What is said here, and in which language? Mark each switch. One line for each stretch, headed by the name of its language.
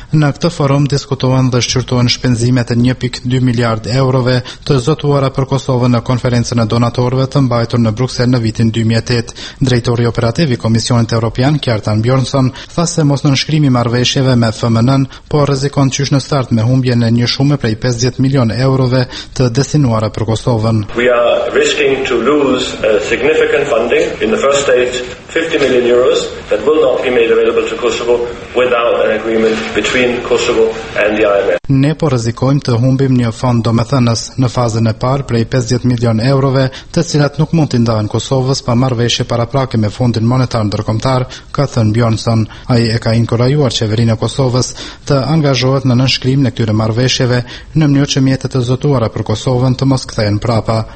Albanian: Në këtë forum diskutohen dhe shqyrtohen shpenzimet e 1.2 miliard eurove të zotuara për Kosovën në konferencën e donatorëve të mbajtur në Bruksel në vitin 2008. Drejtori operativ i Komisionit Evropian, Kjartan Bjornson, tha se mos nënshkrimi marrëveshjeve me FMN-n po rrezikon qysh në start me humbjen e një shume prej 50 milion eurove të destinuara për Kosovën.
English: We are risking to lose a significant funding in the first stage, 50 million euros that will not be made available to Kosovo without an agreement between Kosovo and the IMF.
Albanian: Ne po rrezikojmë të humbim një fond domethënës në fazën e parë prej 50 milion eurove, të cilat nuk mund të ndahen Kosovës pa marrëveshje paraprake me Fondin Monetar Ndërkombëtar, ka thënë Bjornson. Ai e ka inkurajuar qeverinë e Kosovës të angazhohet në nënshkrim në këtyre marrëveshjeve në mënyrë që mjetet e zotuara për Kosovën të mos kthehen prapa.